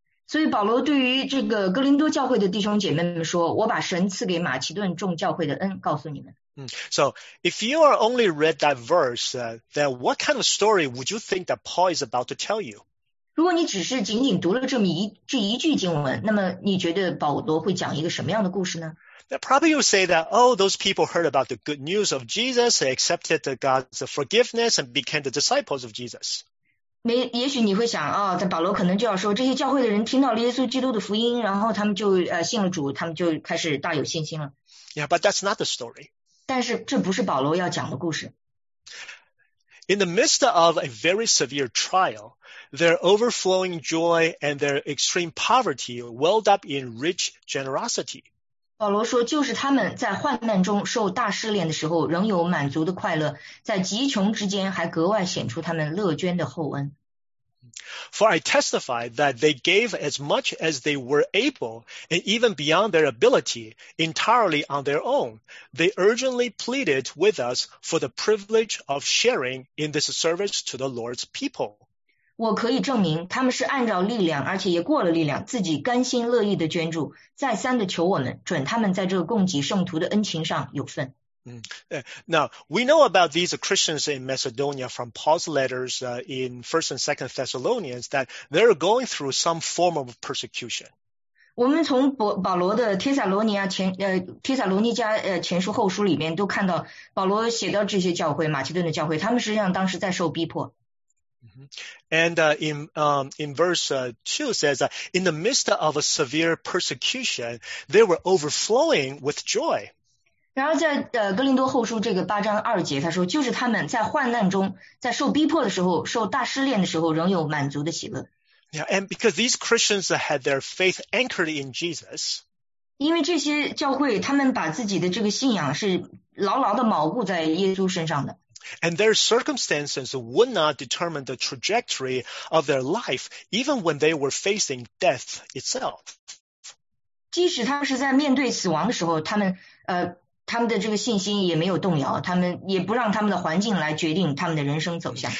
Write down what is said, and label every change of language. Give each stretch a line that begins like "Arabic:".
Chinese: 所以保罗对于这个哥林多教会的弟兄姐妹们说，我把神赐给马其顿众教会的恩告诉你们。
English: So if you are only read that verse, then what kind of story would you think that Paul is about to tell you?
Chinese: 如果你只是仅仅读了这一句经文，那么你觉得保罗会讲一个什么样的故事呢？
English: That probably you say that, oh, those people heard about the good news of Jesus, they accepted God's forgiveness and became the disciples of Jesus.
Chinese: 也许你会想，在保罗可能就要说，这些教会的人听到了耶稣基督的福音，然后他们就信了主，他们就开始大有信心了。
English: Yeah, but that's not the story.
Chinese: 但是这不是保罗要讲的故事。
English: In the midst of a very severe trial, their overflowing joy and their extreme poverty welled up in rich generosity.
Chinese: 保罗说，就是他们在患难中受大试炼的时候，仍有满足的快乐，在极穷之间还格外显出他们乐捐的厚恩。
English: For I testify that they gave as much as they were able, and even beyond their ability, entirely on their own. They urgently pleaded with us for the privilege of sharing in this service to the Lord's people.
Chinese: 我可以证明他们是按照力量而且也过了力量自己甘心乐意的捐助再三的求我们准他们在这个供给圣徒的恩情上有份。
English: Now, we know about these Christians in Macedonia from Paul's letters in 1st and 2nd Thessalonians that they're going through some form of persecution.
Chinese: 我们从保罗的帖撒罗尼迦前书后书里面都看到保罗写到这些教会马其顿的教会他们实际上当时在受逼迫。
English: And in verse 2 says, in the midst of a severe persecution, they were overflowing with joy.
Chinese: 然后在哥林多后书这个八章二节他说就是他们在患难中在受逼迫的时候受大试炼的时候仍有满足的喜乐。
English: Yeah, and because these Christians had their faith anchored in Jesus.
Chinese: 因为这些教会他们把自己的这个信仰是牢牢地锚固在耶稣身上的。
English: And their circumstances would not determine the trajectory of their life, even when they were facing death itself.
Chinese: 即使他们是在面对死亡的时候，他们的这个信心也没有动摇，他们也不让他们的环境来决定他们的人生走向。